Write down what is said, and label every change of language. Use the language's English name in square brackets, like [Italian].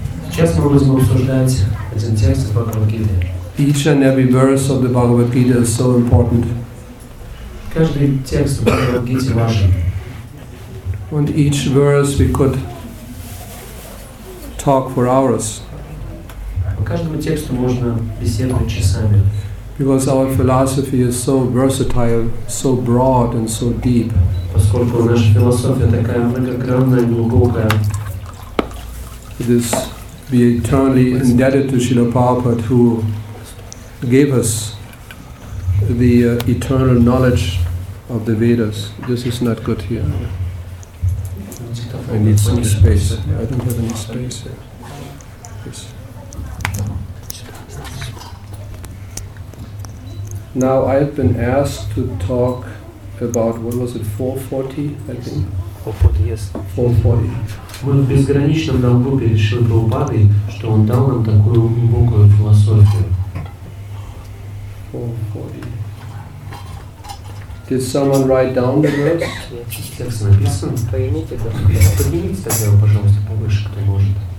[Russian] Сейчас мы будем обсуждать один текст из Бхагавад Гиты. [English] Each and every verse of the Bhagavad Gita is so important. [Russian] Каждый текст Бхагавад Гиты важен. [English] And each verse we could talk for hours. [Russian] По каждому тексту можно беседовать часами. [English] Because our philosophy is so versatile, so broad and so deep. [Russian] Поскольку наша философия такая многогранная и глубокая. [English] This we are eternally indebted to Srila Prabhupada who gave us the eternal knowledge of the Vedas. This is not good here. I need some space. I don't have any space here. Yes. Now I've been asked to talk about, what was it, 440, I think? 440, yes. 440. [Russian] Мы в безграничном долгу перед Шри Прабхупадой, что он дал нам такую глубокую философию. 440. [English] Did someone write down the verse? [Russian] Текст написан. Поднимите тогда, пожалуйста, повыше, кто может.